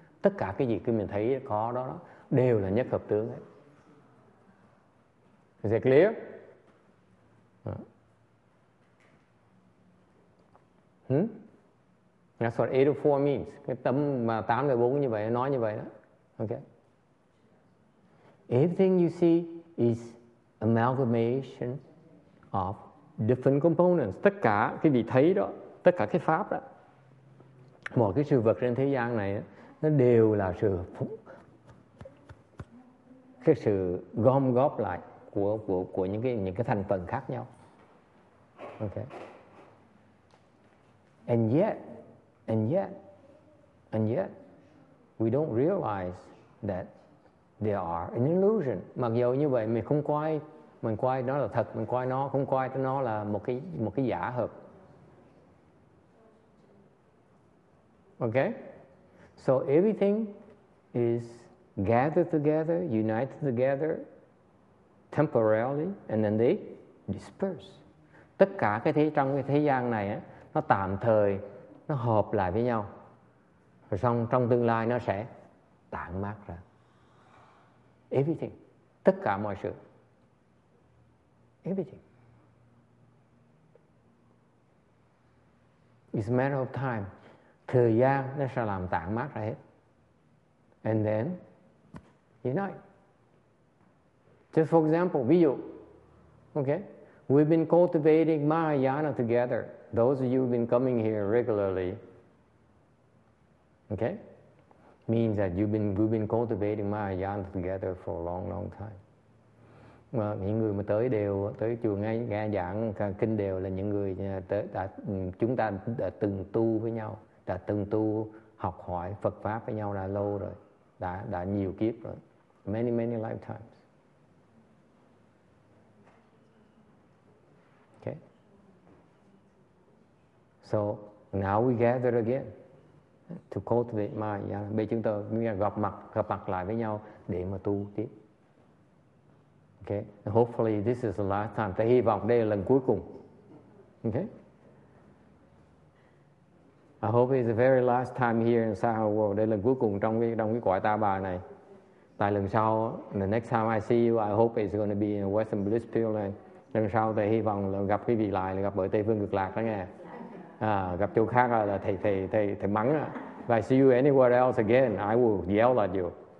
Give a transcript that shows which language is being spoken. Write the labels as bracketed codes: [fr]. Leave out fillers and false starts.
[vi] Tất cả cái gì cái mình thấy có đó, đó đều là nhất hợp tướng. Ấy. [en] Is that clear? That's what 804 means. [vi] Cái tấm mà 804 như vậy, nói như vậy đó. [en] Okay. Everything you see is amalgamation of different components. [vi] Tất cả cái gì thấy đó, tất cả cái pháp đó, mọi cái sự vật trên thế gian này nó đều là sự cái sự gom góp lại của những cái thành phần khác nhau. [en] Okay. And yet we don't realize that they are an illusion. [vi] Mặc dù như vậy mình không coi, mình coi nó là thật, mình coi nó không coi nó là một cái giả hợp. [en] Okay, so everything is gathered together, united together, temporarily, and then they disperse. [vi] Tất cả cái thế trong cái thế gian này á, nó tạm thời nó hợp lại với nhau, rồi xong trong tương lai nó sẽ tản mát ra. Everything, tất cả mọi sự. Everything. [en] It's a matter of time. [vi] Thời gian nó sẽ làm tản mát ra hết. [en] And then, you know. Just for example, ví dụ, okay, we've been cultivating Mahayana together. Those of you who've been coming here regularly, okay, means that we've been cultivating Mahayana together for a long, long time. [vi] Mà những người mà tới đều tới chùa nghe giảng kinh đều là những người chúng ta đã từng tu với nhau. Đã từng tu học hỏi Phật pháp với nhau đã lâu rồi, đã nhiều kiếp rồi, [en] many many lifetimes. Okay. So now we gather again to cultivate Mahayana. [vi] Bây chúng ta gặp mặt lại với nhau để mà tu tiếp. Okay. [en] Hopefully this is the last time. [vi] Ta hy vọng đây là lần cuối cùng. [en] Okay. I hope it's the very last time here in Saha World. [vi] Đây là cuối cùng trong cái quả ta bà này. Tại lần sau, [en] the next time I see you, I hope it's going to be in Western Buddhist Pillar. [vi] Lần sau thầy hy vọng là gặp quý vị lại, là gặp ở Tây Phương Cực Lạc đó nghe. Gặp chỗ khác là thầy mắng. [en] If I see you anywhere else again, I will yell at you.